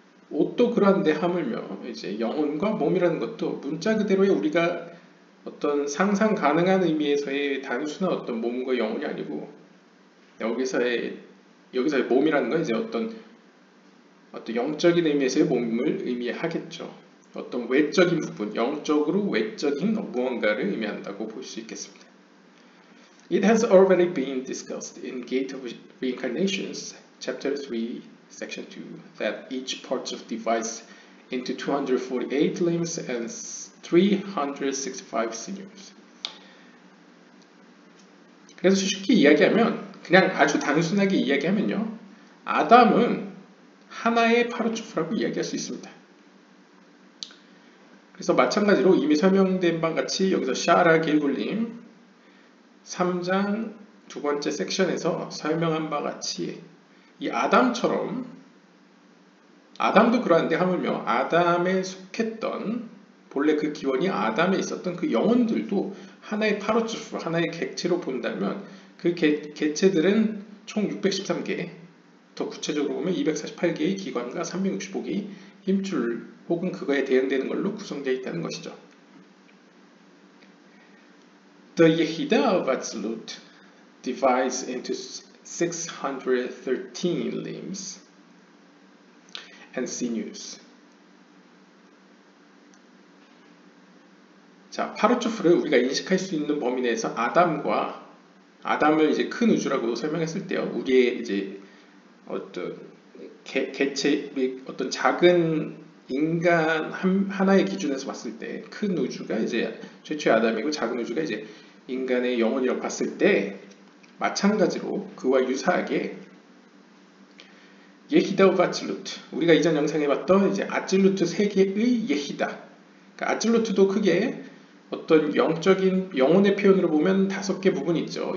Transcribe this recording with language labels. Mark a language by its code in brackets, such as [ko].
[ko] 옷도 그러한데 하물며 이제 영혼과 몸이라는 것도 문자 그대로의 우리가 어떤 상상 가능한 의미에서의 단순한 어떤 몸과 영혼이 아니고 여기서의 몸이라는 건 이제 어떤 영적인 의미에서의 몸을 의미하겠죠. 어떤 외적인 부분, 영적으로 외적인 무언가를 의미한다고 볼 수 있겠습니다. [en] It has already been discussed in Gate of Reincarnations, Chapter 3, Section 2, that each part of device into 248 limbs and 365 sinews. [ko] 그래서 쉽게 이야기하면, 그냥 아주 단순하게 이야기하면요, 아담은 하나의 파로추프라고 이야기할 수 있습니다. 그래서 마찬가지로 이미 설명된 바 같이 여기서 샤라 길굴림 3장 두 번째 섹션에서 설명한 바 같이 이 아담처럼 아담도 그러한데 하물며 아담에 속했던 본래 그 기원이 아담에 있었던 그 영혼들도 하나의 파로추프, 하나의 객체로 본다면 그 객체들은 총 613개, 더 구체적으로 보면 248개의 기관과 365개의 힘줄 혹은 그거에 대응되는 걸로 구성되어 있다는 것이죠. [en] The Yehida of Atzilut divides into 613 limbs and sinews. [ko] 자, 파로추프를 우리가 인식할 수 있는 범위 내에서 아담을 이제 큰 우주라고 설명했을 때요. 우리의 이제 어떤 개체, 어떤 작은 인간 하나의 기준에서 봤을 때 큰 우주가 이제 최초의 아담이고 작은 우주가 이제 인간의 영혼이라고 봤을 때 마찬가지로 그와 유사하게 예히다 오브 아틀루트, 우리가 이전 영상에 봤던 이제 아틀루트 세계의 예히다, 그러니까 아틀루트도 크게 어떤 영적인 영혼의 표현으로 보면 다섯 개 부분이 있죠.